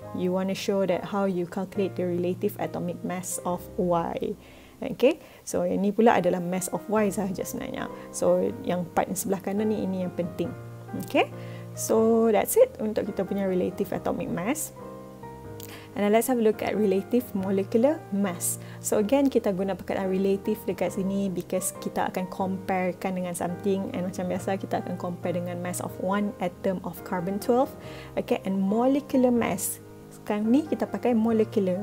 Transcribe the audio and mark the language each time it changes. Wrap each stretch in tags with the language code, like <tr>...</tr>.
<en>You want to show that how you calculate the relative atomic mass of Y.</en> <ms>Okay, so ini pula adalah mass of Y sahaja sebenarnya. So yang part yang sebelah kanan ni, ini yang penting.</ms> <en>Okay, so that's it</en> <ms>untuk kita punya</ms> <en>relative atomic mass. And let's have a look at relative molecular mass.</en> <ms>So again, kita guna perkataan relative dekat sini because kita akan comparekan dengan something, and macam biasa kita akan compare dengan mass of one atom of carbon 12.</ms> <en>Okay, and molecular mass.</en> <ms>Sekarang ni kita pakai</ms> <en>molecular.</en>